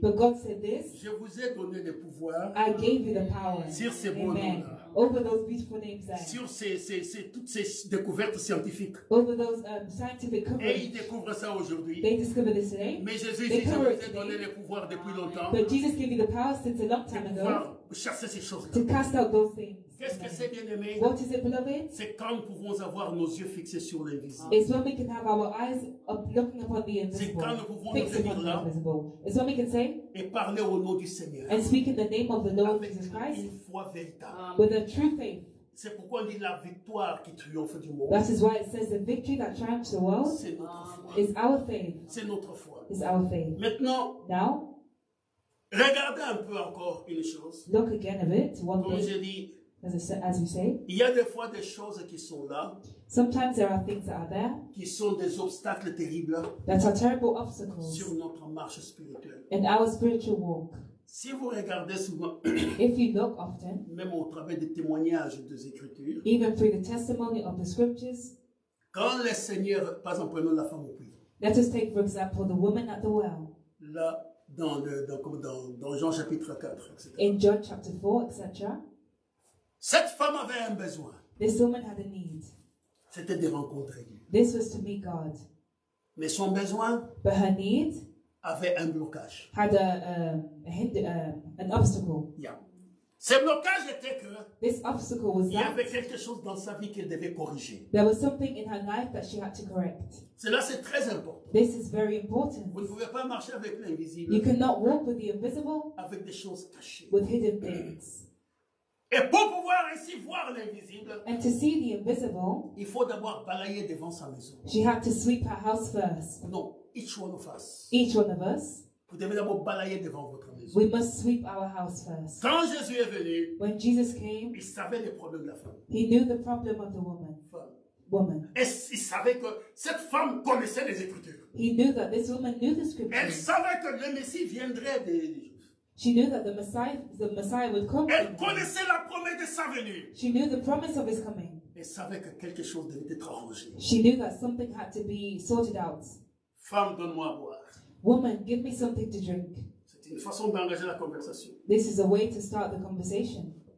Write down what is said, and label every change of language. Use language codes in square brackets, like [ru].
[en] But God said this. [fr] Je vous ai donné le pouvoir. [en] I gave you the power. [fr] Sur ces bons noms-là. [en] Over those beautiful names there. [fr] Sur ces toutes ces découvertes scientifiques. [en] Over those scientific coverage. [fr] Et ils découvrent ça aujourd'hui. [en] They discover this today. [fr] Mais Jésus dit, je vous ai donné le pouvoir depuis longtemps. [en] But Jesus gave you the power since a long time ago. [fr] Pour chasser ces choses-là. [en] To cast out those things. [fr] Qu'est-ce que c'est bien aimé? [en] What is it, beloved? [fr] C'est quand nous pouvons avoir nos yeux fixés sur l'invisible. [en] It's when we can have our eyes up, looking upon the invisible. [fr] C'est quand nous pouvons nous tenir là. [en] It's when we can say. [fr] Et parler au nom du Seigneur. [en] And speak in the name of the Lord Jesus Christ. [fr] Une foi véritable. [en] With a true faith. [fr] C'est pourquoi on dit la victoire qui triomphe du monde. [en] That is why it says the victory that triumphs the world. [fr] C'est notre foi. [en] Is our faith. [fr] C'est notre foi. [en] Is our faith. [fr] Maintenant. [en] Now. [fr] Regardez un peu encore une chose. [en] Look again a bit. One [fr] comme [en] bit. [fr] Je dis. [en] As you say, [fr] il y a des fois des choses qui sont là. [en] Sometimes there are things that are there. [fr] Qui sont des obstacles terribles. [en] That are terrible obstacles. [fr] Sur notre marche spirituelle. [en] In our spiritual walk. [fr] Si vous regardez souvent. [en] If you look often. [fr] Même au travers des témoignages des Écritures. [en] Even through the testimony of the Scriptures. [fr] Quand le Seigneur, par exemple, prenons la femme au puits. [en] Let us take, for example, the woman at the well. [fr] La dans le dans Jean chapitre 4, etc. [en] In John chapter 4, etc. [fr] Cette femme avait un besoin. [en] This woman had a need. [fr] C'était de rencontrer Dieu. [en] This was to meet God. [fr] Mais son besoin. [en] But her need. [fr] Avait un blocage. [en] Had an obstacle. [fr] Yeah. Ce blocage était que. [en] This obstacle was that. [fr] Il y avait quelque chose dans sa vie qu'elle devait corriger. [en] There was something in her life that she had to correct. [fr] Cela c'est très important. [en] This is very important. [fr] Vous ne pouvez pas marcher avec l'invisible. [en] You cannot walk with the invisible. [fr] Avec des choses cachées. [en] With hidden things. [fr] Et pour pouvoir ainsi voir l'invisible. [en] And to see the invisible. [fr] Il faut d'abord balayer devant sa maison. [en] She had to sweep her house first. Non, each one of us. Each one of us. [fr] Vous devez d'abord balayer devant votre maison. [en] We must sweep our house first. [fr] Quand Jésus est venu, [en] when Jesus came, [fr] il savait les problèmes de la femme. [en] He knew the problem of the woman. Woman. [fr] Et il savait que cette femme connaissait les Écritures. [en] He knew that this woman knew the Scriptures. [fr] Elle savait que le Messie viendrait des Juifs. [en] She knew that the Messiah would come. [fr] Elle connaissait la promesse de sa venue. [en] She knew the promise of his coming. [fr] Elle savait que quelque chose devait être arrangé. [en] She knew that something had to be sorted out. [fr] Femme, donne-moi à boire. [en] Woman, give me something to drink. [fr] C'est une façon d'engager la conversation. [en] This is a way to start the conversation.